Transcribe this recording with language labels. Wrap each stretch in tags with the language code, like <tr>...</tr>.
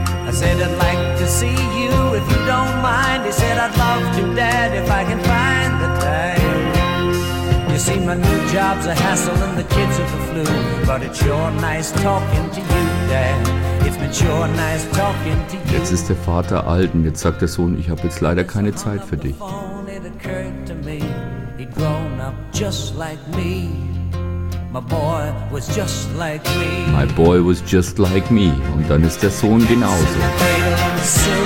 <en>I said I'd like to see you if you don't mind. He said I'd love to, Dad, if I can find the time. You see, my new job's a hassle and the kids have the flu, but it's your nice talking to you, Dad. It's been your nice talking to you.</en> <de>Jetzt ist der Vater alt und jetzt sagt der Sohn, ich habe jetzt leider keine Zeit für dich.</de> <en>It occurred to me, he'd grown up just like me. My boy was just like me. My boy was just like me.</en> <de>Und dann ist der Sohn genauso.</de>